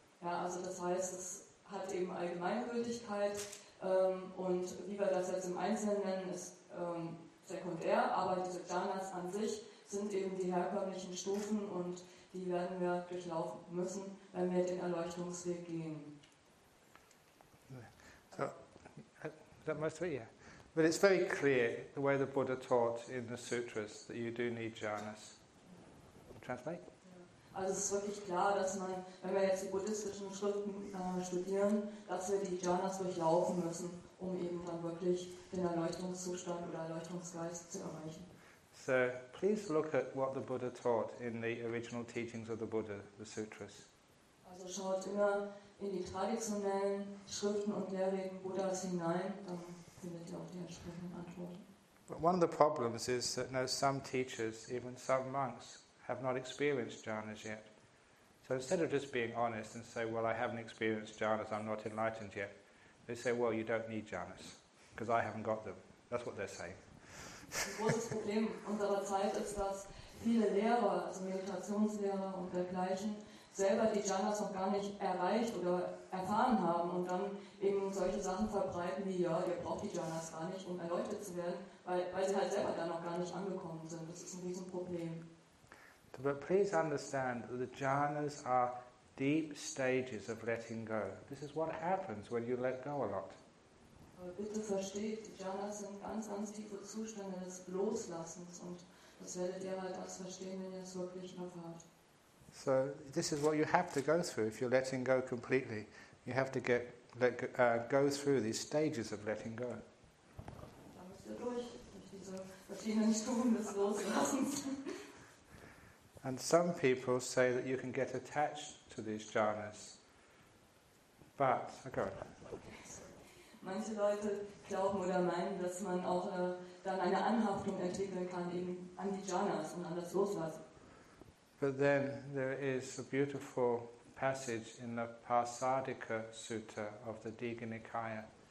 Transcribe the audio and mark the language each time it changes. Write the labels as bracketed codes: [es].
[de] Ja, also das heißt, es hat eben Allgemeingültigkeit und wie wir das jetzt im Einzelnen nennen, ist sekundär, aber diese Jhanas an sich sind eben die herkömmlichen Stufen und die werden wir durchlaufen müssen, wenn wir den Erleuchtungsweg gehen. [en] So, that must be, yeah. But it's very clear, the way the Buddha taught in the sutras, that you do need Jhanas. Translate? [de] Also es ist wirklich klar, dass man, wenn wir jetzt die buddhistischen Schriften studieren, dass wir die Jhanas durchlaufen müssen, um eben dann wirklich den Erleuchtungszustand oder Erleuchtungsgeist zu erreichen. [en] So, please look at what the Buddha taught in the original teachings of the Buddha, the sutras. [de] Also schaut immer in die traditionellen Schriften und Lehrreden Buddhas hinein, dann findet ihr auch die entsprechenden Antworten. [en] But one of the problems is that some teachers, even some monks, have not experienced jhanas yet. So instead of just being honest and say, well, I haven't experienced jhanas, I'm not enlightened yet, they say, well, you don't need jhanas, because I haven't got them. That's what they're saying. [de] Ein großes Problem unserer Zeit ist, dass viele Lehrer, also Meditationslehrer und dergleichen, selber die Jhanas noch gar nicht erreicht oder erfahren haben und dann eben solche Sachen verbreiten wie, ja, ihr braucht die Jhanas gar nicht, um erläutert zu werden, weil sie halt selber da noch gar nicht angekommen sind. Das ist ein Riesenproblem. [en] But please understand that the jhanas are deep stages of letting go. This is what happens when you let go a lot. [de] Bitte versteht, jhanas sind ganz, ganz tiefe Zustände des Loslassens und das werdet ihr halt erst verstehen, wenn ihr es wirklich erfahrt. [en] So this is what you have to go through if you're letting go completely. You have to go through these stages of letting go. [de] Da müsst ihr durch diese verschiedenen Stufen des Loslassens. [en] And some people say that you can get attached to these jhanas. But, okay. [de] Manche Leute glauben oder meinen, dass man auch dann eine Anhaftung entwickeln kann eben an die jhanas und an das Loslassen. [en] But then there is a beautiful passage in the Parsadika Sutta of the Digha Nikaya.